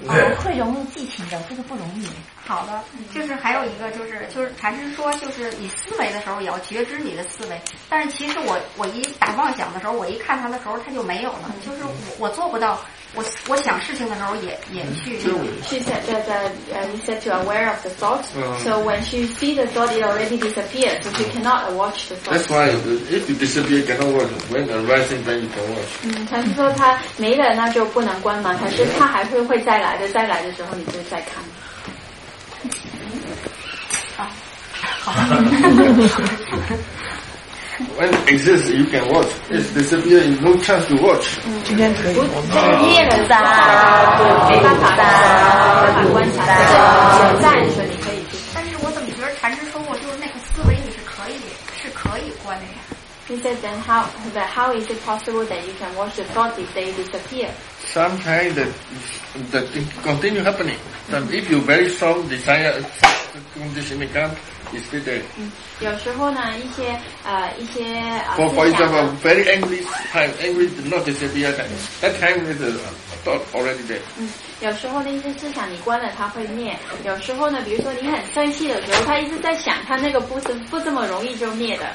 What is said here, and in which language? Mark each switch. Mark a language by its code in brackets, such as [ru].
[zh] 会容易记情的，这个不容易。好的，就是还有一个就是禅师说，就是你思维的时候也要觉知你的思维，但是其实我一打妄想的时候，我一看他的时候他就没有了，就是我做不到，我想事情的时候也去。 [en] She said you said to aware of the thought. So when she see the thought, it already disappeared. So she cannot watch the thought. That's why if it disappears, cannot watch. When arising, then you can watch. [zh] 禅师说他没了，那就不能关嘛。可是他还会再来的，再来的时候你就再看。 [en] When it exists, you can watch. It's disappear, you have no chance to watch. [zh] 今天可以。这是灭了的，没办法的，没办法观察的。但是我怎么觉得禅师说过，就是那个思维你是可以关的呀。 [en] He said then how is it possible that you can watch the thoughts if they disappear? Sometimes that it continue happening. And if you very strong desire condition may come. Is it there? [zh] 有时候呢，一些 [en] for example, very angry time, angry did not disappear. That time is a thought already there. [zh] 有时候那些思想你关了它会灭。有时候呢，比如说你很生气的时候，他一直在想，他那个不这么容易就灭的。